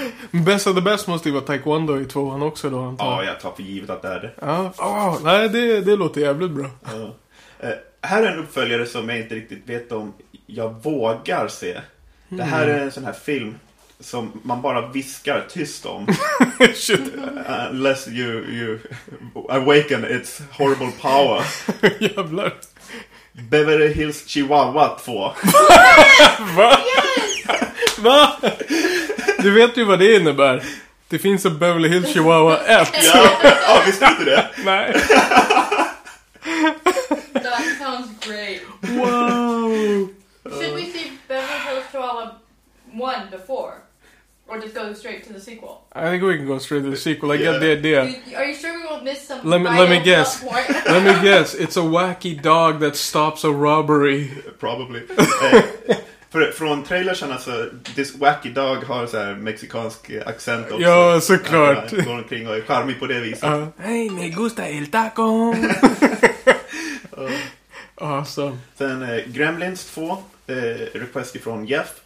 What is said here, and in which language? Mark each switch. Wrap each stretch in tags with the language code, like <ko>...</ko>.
<sv>Best of the Best måste ju vara taekwondo i tvåan också då, antar jag. Ja, jag tar för givet att det är det. Nej, det låter jävligt bra. Här är en uppföljare som jag inte riktigt vet om jag vågar se. Det här är en sån här film som man bara viskar tyst om. Shit.</sv> <en>Unless you awaken its horrible power.</en> <sv>Jävlar. Beverly Hills Chihuahua 2. Va? Va? Du vet ju vad det innebär. Det finns en Beverly Hills Chihuahua 1. Ja, ja, visst inte det? Nej.</sv> <en>That sounds great. Wow. Should we see Beverly Hills Chihuahua 1 before? Or just go straight to the sequel? I think we can go straight to the sequel. I get the idea. Are you sure we won't miss some? Let me guess. Let me guess. It's a wacky dog that stops a robbery. Probably.</en> <sv>från trailersen, alltså,</sv> <en>this wacky dog</en> <sv>har så här mexikansk accent också. Ja, såklart. Han går omkring och är charmig på det viset.</sv> <es>Hey, me gusta el taco.</es> <en>Awesome.</en> <sv>Sen Gremlins 2. Request ifrån Jeff.</sv>